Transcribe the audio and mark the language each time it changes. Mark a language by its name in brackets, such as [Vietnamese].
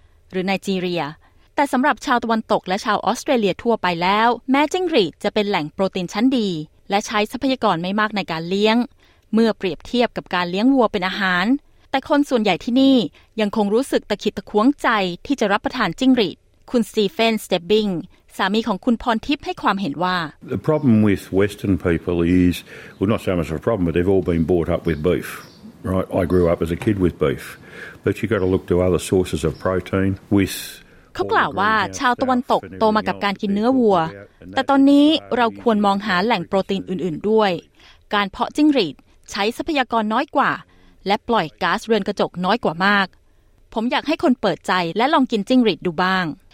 [Thai] หรือไนจีเรียแต่สำหรับชาวตะวันตกและชาวออสเตรเลียทั่วไปแล้วแม้จิ้งหรีดจะเป็นแหล่งโปรตีนชั้นดีและใช้ทรัพยากรไม่มากในการเลี้ยงเมื่อเปรียบเทียบกับการเลี้ยงวัวเป็นอาหารแต่คนส่วนใหญ่ที่นี่ยังคงรู้สึกตะขิดตะขวงใจที่จะรับประทานจิ้งหรีดคุณสตีเฟนสเตบบิงสามีของคุณพรทิพย์ให้ความเห็นว่า [English] The problem with Western people is well not so much of a problem but they've all been brought up with beef right I grew up as a kid with beef but you got to look to other sources of protein with [Thai] เขากล่าวว่าชาวตะวันตกโตมากับการกินเนื้อวัวแต่ตอนนี้เราควรมองหาแหล่งโปรตีนอื่นๆด้วยการเพาะจิ้งหรีดใช้ทรัพยากรน้อยกว่าและปล่อยก๊าซเรือนกระจกน้อยกว่ามากผมอยากให้คนเปิดใจและลองกินจิ้งหรีดดูบ้าง